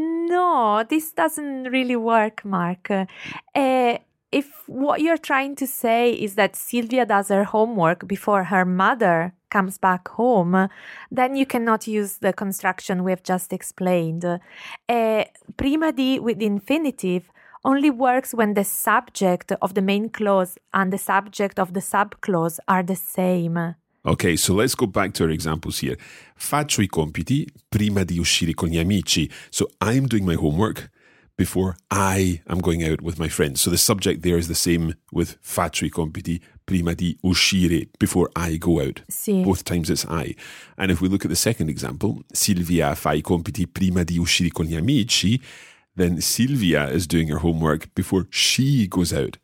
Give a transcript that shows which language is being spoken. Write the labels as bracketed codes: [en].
[en] No, this doesn't really work, Mark. If what you're trying to say is that Silvia does her homework before her mother comes back home, then you cannot use the construction we've just explained. Prima di with infinitive only works when the subject of the main clause and the subject of the subclause are the same. Okay, so let's go back to our examples here. [it] Faccio I compiti prima di uscire con gli amici. [en] So I'm doing my homework before I am going out with my friends. So the subject there is the same with [it] faccio I compiti prima di uscire, [en] before I go out. [it] Sì. [en] Both times it's I. And if we look at the second example, [it] Silvia fa I compiti prima di uscire con gli amici, [en] then Silvia is doing her homework before she goes out.